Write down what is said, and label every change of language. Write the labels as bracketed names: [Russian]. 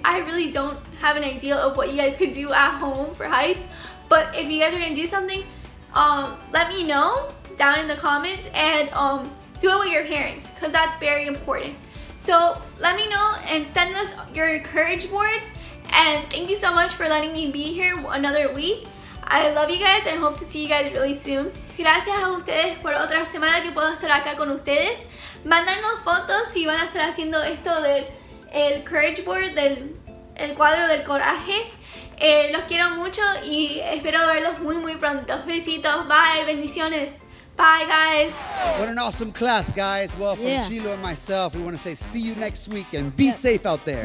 [English] I really don't have an idea of what you guys could do at home for heights, but if you guys are gonna do something, let me know down in the comments and do it with your parents, because that's very important. So let me know and send us your courage boards. And thank you so much for letting me be here another week. I love you guys and hope to see you guys really soon. [Spanish] Gracias a ustedes por otra semana que puedo estar acá con ustedes. Mándanos fotos si van a estar haciendo esto del el [English] courage board, [Spanish] del el cuadro del coraje. Los quiero mucho y espero verlos muy muy pronto. [English] Besitos, bye, bendiciones. Bye, guys. What an awesome class, guys. Well, from Chilo and myself, we want to say see you next week and be safe out there.